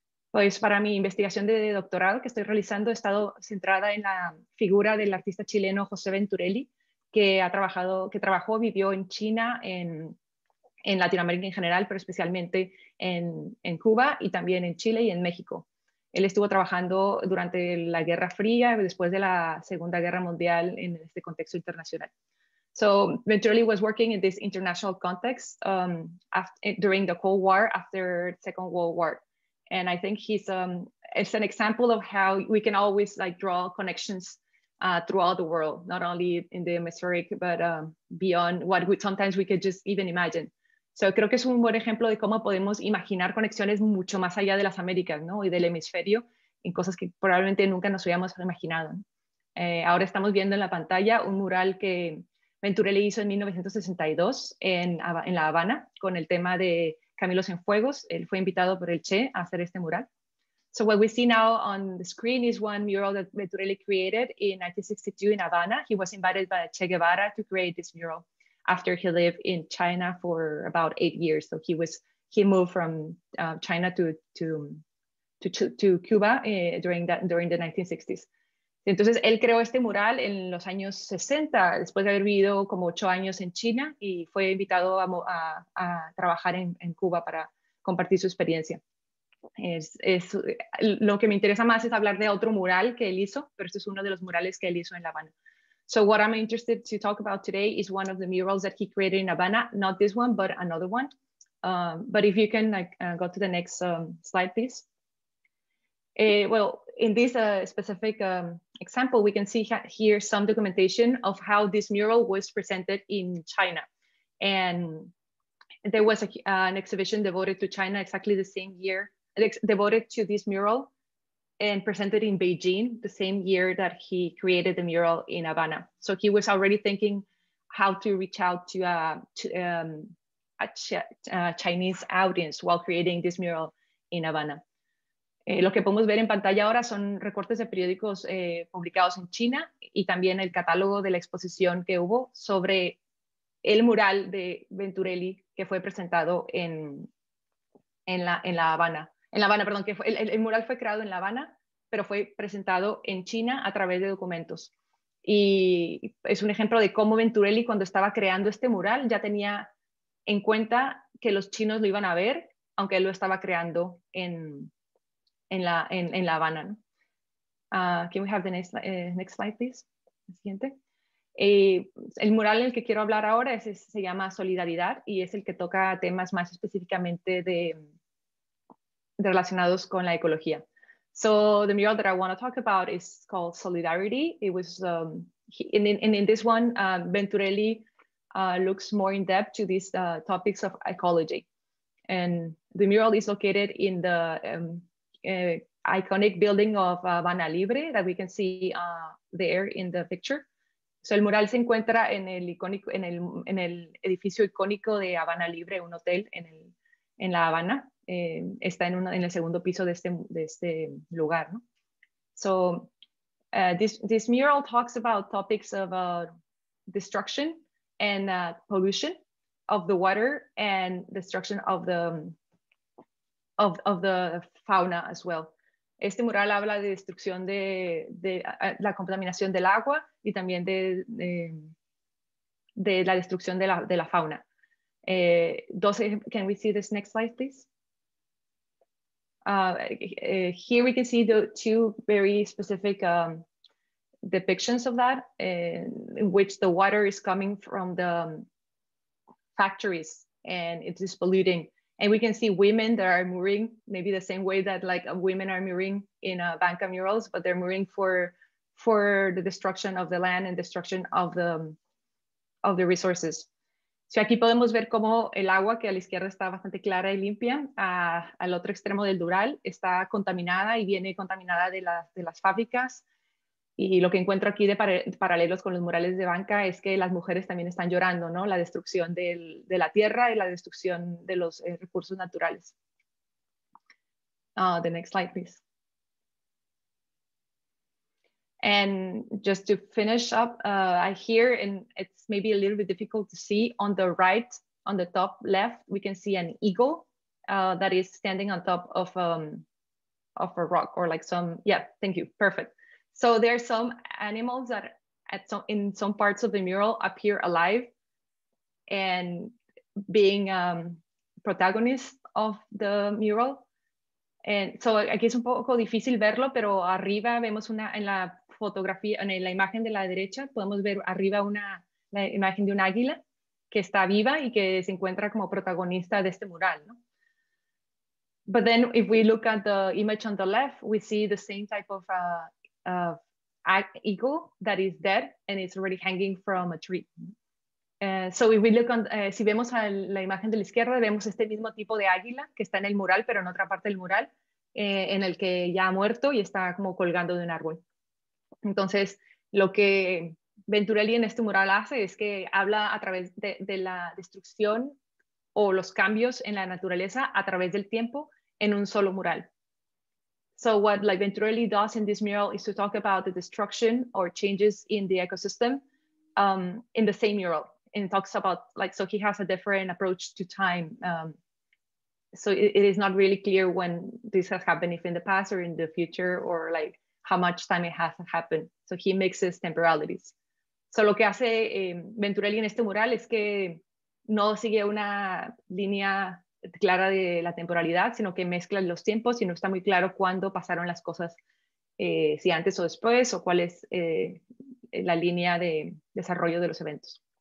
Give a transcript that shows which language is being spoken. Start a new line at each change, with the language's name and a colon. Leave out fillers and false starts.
Spanish: Pues para mi investigación de doctorado que estoy realizando, he estado centrada en la figura del artista chileno José Venturelli, que trabajó, vivió en China, en Latinoamérica en general, pero especialmente en Cuba y también en Chile y en México. Él estuvo trabajando durante la Guerra Fría, después de la Segunda Guerra Mundial en este contexto internacional.
English: So Venturelli was working in this international context during the Cold War, after the Second World War. And I think he's it's an example of how we can always like draw connections throughout the world, not only in the Mesoric, but beyond what sometimes we could just even imagine.
Spanish: So creo que es un buen ejemplo de cómo podemos imaginar conexiones mucho más allá de las Américas, ¿no? Y del hemisferio, en cosas que probablemente nunca nos hubiéramos imaginado. Ahora estamos viendo en la pantalla un mural que Venturelli hizo en 1962 en La Habana con el tema de Camilo Cienfuegos. Él fue invitado por el Che a hacer este mural.
English: So what we see now on the screen is one mural that Venturelli created in 1962 in Havana. He was invited by Che Guevara to create this mural after he lived in China for about 8 years. So he moved from China to Cuba during the 1960s.
Spanish: Entonces él creó este mural en los años 60, después de haber vivido como 8 años en China, y fue invitado a trabajar en Cuba para compartir su experiencia. Es lo que me interesa más es hablar de otro mural que él hizo, pero este es uno de los murales que él hizo en La Habana.
English: So what I'm interested to talk about today is one of the murals that he created in Havana, not this one, but another one. But if you can go to the next slide, please. Well, in this specific example, we can see here some documentation of how this mural was presented in China. And there was an exhibition devoted to China exactly the same year, devoted to this mural, and presented in Beijing the same year that he created the mural in Havana. So he was already thinking how to reach out to a Chinese audience while creating this mural in Havana.
Spanish: Lo que podemos ver en pantalla ahora son recortes de periódicos publicados en China y también el catálogo de la exposición que hubo sobre el mural de Venturelli que fue presentado el mural fue creado en La Habana, pero fue presentado en China a través de documentos. Y es un ejemplo de cómo Venturelli, cuando estaba creando este mural, ya tenía en cuenta que los chinos lo iban a ver, aunque él lo estaba creando en La Habana.
English: Can we have the next slide, please?
Spanish: El siguiente. El mural en el que quiero hablar ahora se llama Solidaridad, y es el que toca temas más específicamente de relacionados con la ecología.
English: So the mural that I want to talk about is called Solidarity. It was in this one, Venturelli looks more in depth to these topics of ecology. And the mural is located in the iconic building of Habana Libre that we can see there in the picture.
Spanish: So el mural se encuentra en el edificio icónico de Habana Libre, un hotel en La Habana. Está en el segundo piso de este lugar, ¿no?
English: So this mural talks about topics of destruction and pollution of the water and destruction of the fauna as well.
Spanish: Este mural habla de destrucción de la contaminación del agua y también de la destrucción de la fauna.
English: Can we see this next slide, please? Here we can see the two very specific depictions of that, in which the water is coming from the factories and it is polluting. And we can see women that are mooring, maybe the same way that like women are mooring in Vanka murals, but they're mooring for the destruction of the land and destruction of the resources.
Spanish: So aquí podemos ver cómo el agua que a la izquierda está bastante clara y limpia, al otro extremo del dural está contaminada y viene contaminada de las fábricas. Y lo que encuentro aquí de paralelos con los murales de Vanka es que las mujeres también están llorando, ¿no? La destrucción de la tierra y la destrucción de los recursos naturales.
English: The next slide, please. And just to finish up, I hear, and it's maybe a little bit difficult to see, on the right, on the top left, we can see an eagle that is standing on top of a rock or like some, yeah, thank you, perfect. So there are some animals that in some parts of the mural appear alive and being protagonists of the mural. And so
Spanish: aquí es un poco difícil verlo, pero arriba vemos una en la fotografía, en la imagen de la derecha, podemos ver arriba una la imagen de un águila que está viva y que se encuentra como protagonista de este mural, ¿no?
English: But then if we look at the image on the left, we see the same type of eagle that is dead and it's already hanging from a tree. So if we look on,
Spanish: si vemos a la imagen de la izquierda, vemos este mismo tipo de águila que está en el mural, pero en otra parte del mural, en el que ya ha muerto y está como colgando de un árbol. Entonces, lo que Venturelli en este mural hace es que habla a través de la destrucción o los cambios en la naturaleza a través del tiempo en un solo mural.
English: So what like Venturelli does in this mural is to talk about the destruction or changes in the ecosystem in the same mural. And talks about like, so he has a different approach to time. So it is not really clear when this has happened, if in the past or in the future, or like how much time it has happened. So he mixes temporalities.
Spanish: So lo que hace Venturelli en este mural es que no sigue una línea clara de la temporalidad, sino que mezcla los tiempos y no está muy claro cuándo pasaron las cosas, si antes o después, o cuál es la línea de desarrollo de los eventos.